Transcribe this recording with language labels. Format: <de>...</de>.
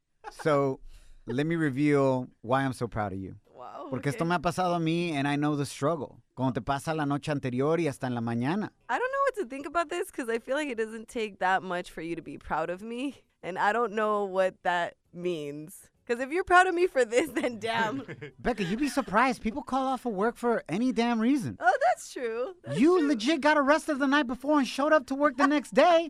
<en>So, let me reveal why I'm so proud of you. Wow.</en> <es>Porque esto me ha pasado a mí,</es> <en>and I know the struggle.</en> <es>Cuando te pasa la noche anterior y hasta en la mañana.</es> <en>I don't know what to think about this because I feel like it doesn't take that much for you to be proud of me. And I don't know what that means. Because if you're proud of me for this, then damn. Becca, you'd be surprised. People call off of work for any damn reason. Oh, that's true. Legit got arrested the night before and showed up to work the next day.</en>